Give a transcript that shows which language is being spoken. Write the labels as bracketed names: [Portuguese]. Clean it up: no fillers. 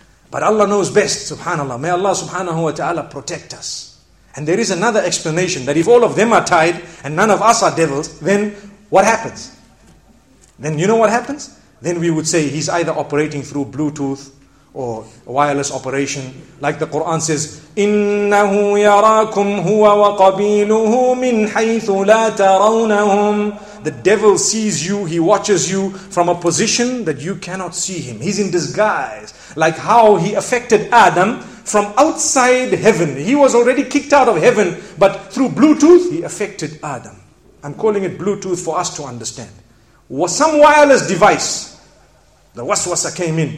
[English] But Allah knows best, subhanAllah. May Allah subhanahu wa ta'ala protect us. And there is another explanation that if all of them are tied and none of us are devils, then what happens? Then you know what happens? Then we would say he's either operating through Bluetooth or wireless operation. Like the Quran says, [Arabic] إِنَّهُ يَرَاكُمْ هُوَ وَقَبِيلُهُ مِنْ حَيْثُ لَا تَرَوْنَهُمْ. [English] The devil sees you, he watches you from a position that you cannot see him. He's in disguise. Like how he affected Adam from outside heaven. He was already kicked out of heaven, but through Bluetooth, he affected Adam. I'm calling it Bluetooth for us to understand. Was some wireless device, the waswasa came in.